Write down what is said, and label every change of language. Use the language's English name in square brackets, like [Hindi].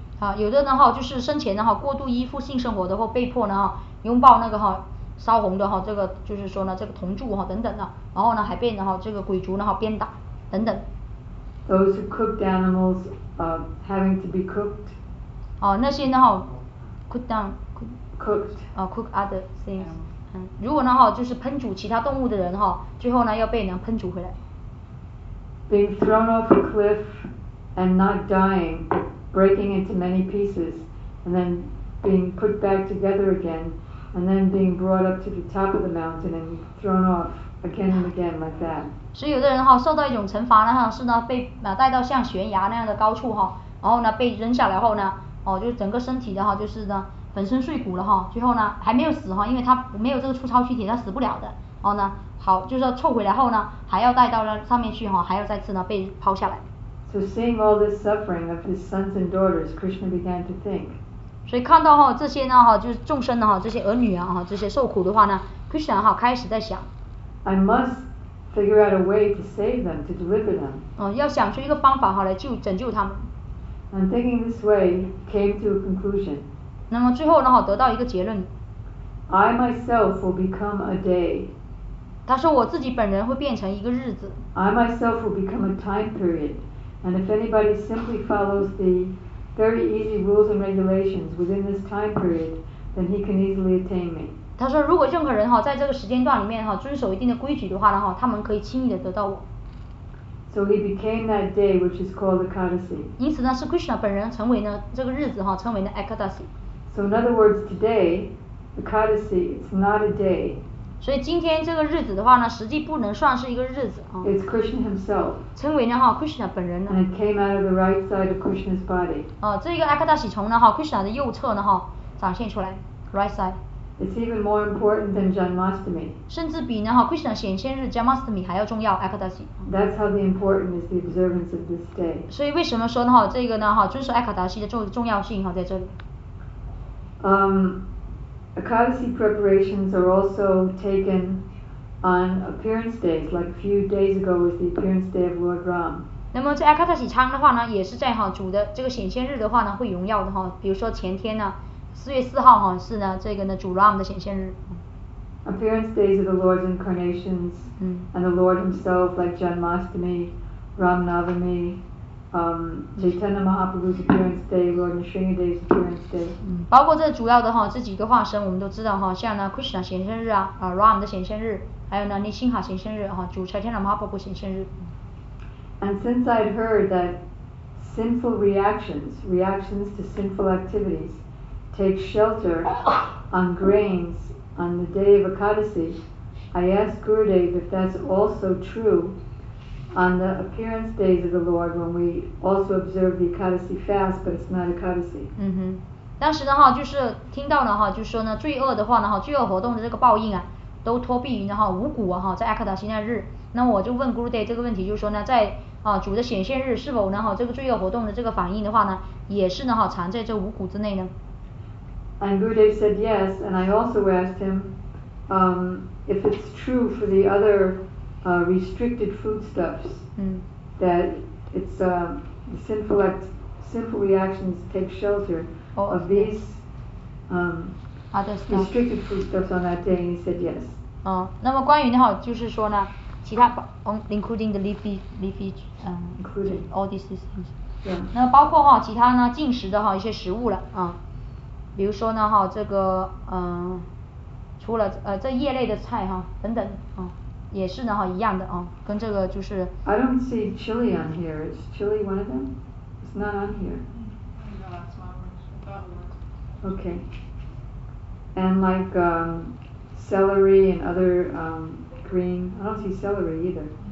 [Chinese] 啊，有的人哈就是生前的哈过度依附性生活的或被迫呢哈。拥抱那个哈烧红的哈，这个就是说呢，这个铜柱哈等等的，然后呢还被然后这个鬼族呢哈鞭打等等。 [English] Those who cooked animals, having to be cooked. [Chinese] 哦，那些呢哈 [English] cook other things. [Chinese] 如果呢哈就是烹煮其他动物的人哈，最后呢要被人烹煮回来。 [English] Being thrown off a cliff and not dying, breaking into many pieces, and then being put back together again. And then being brought up to the top of the mountain and thrown off again and again like that. [Chinese] 所以有的人哈受到一种惩罚呢，是呢被带到像悬崖那样的高处哈，然后呢被扔下来后呢，哦就整个身体的哈就是呢粉身碎骨了哈，最后呢还没有死哈，因为他没有这个粗糙躯体，他死不了的。然后呢好就是凑回来后呢，还要带到上面去哈，还要再次呢被抛下来。 [English] So seeing all this suffering of his sons and daughters, Krishna began to think. [Chinese] 所以看到哈这些呢哈就是众生的哈这些儿女啊哈这些受苦的话呢 ，Krishna 哈开始在想 [English] ，I must figure out a way to save them to deliver them。 [Chinese] 要想出一个方法哈来拯救他们。 [English] And thinking this way came to a conclusion。 [Chinese] 那么最后呢哈得到一个结论 [English] ，I myself will become a day。 [Chinese] 他说我自己本人会变成一个日子。 [English] I myself will become a time period, and if anybody simply follows the very easy rules and regulations within this time period, then he can easily attain me. [Chinese] 他说，如果任何人哈在这个时间段里面哈遵守一定的规矩的话呢哈，他们可以轻易的得到我。 [English] So he became that day, which is called the Ekadasi. [Chinese] 因此呢，是 Krishna 本人成为呢这个日子哈，成为了 Ekadasi. [English] So in other words, today, the Ekadasi is not a day. [Chinese] 所以今天这个日子的话呢，实际不能算是一个日子啊。 [English] It's Krishna himself. [Chinese] 称为呢哈 ，Krishna 本人呢。 [English] And it came out of the right side of Krishna's body. [Chinese] 哦，这个 Ekadasi 从呢哈 ，Krishna 的右侧呢哈，展现出来 ， [English] right side. It's even more important than Janmashtami. [Chinese] 甚至比呢哈 ，Krishna 显现日 Janmashtami 还要重要 ，Ekadasi. [English] That's how important is the observance of this day. [Chinese] 所以为什么说呢哈，这个呢哈，遵守 Ekadasi 的重要性哈，在这里。 [English] Ekadasi preparations are also taken on appearance days, like a few days ago was the appearance day of Lord Ram. [Chinese] 那么在 Akatashi 仓的话呢，也是在哈主的这个显现日的话呢，会荣耀的哈。比如说前天呢，4月4号哈是呢这个呢主 Ram 的显现日。 [English] Appearance days of the Lord's incarnations, and the Lord Himself, like Janmashtami, Ram Navami, Chaitanya Mahaprabhu's appearance day, Lord Nrisimha Day's appearance day. [Chinese] 包括这主要的哈这几个化身，我们都知道哈，像呢 Krishna 显现日啊，啊 Ram 的显现日，还有呢 Nrisimha 显现日哈，主 Chaitanya Mahaprabhu 显现日。 [English] And since I'd heard that sinful reactions to sinful activities, take shelter on grains on the day of Ekadasi, I asked Gurudev if that's also true on the appearance days of the Lord when we also observe the Ekadasi fast, but it's not Ekadasi. [Chinese] 嗯哼，当时呢哈，就是听到了哈，就是说呢，罪恶的话呢哈，罪恶活动的这个报应啊，都托庇于呢哈五谷啊哈，在 Ekadasi 那日。那我就问 Gurudev 这个问题，就是说呢，在啊主的显现日是否呢哈这个罪恶活动的这个反应的话呢，也是呢哈藏在这五谷之内呢？ [English] And Gurudev said yes, and I also asked him if it's true for the other restricted foodstuffs that it's sinful reactions take shelter of these other stuff. restricted foodstuffs on that day, and he said yes. [Chinese] 那么关于呢就是说呢，其他 [English] including the leafy including all these things. Yeah. [Chinese] 那包括哈其他呢进食的哈一些食物了啊。比如说呢哈这个除了这叶类的菜哈等等啊，也是呢哈一样的啊，跟这个就是 [English] I don't see chili on here. Is chili one of them? It's not on here. No, that's not one. That one. Okay. And like celery and other green. I don't see celery either.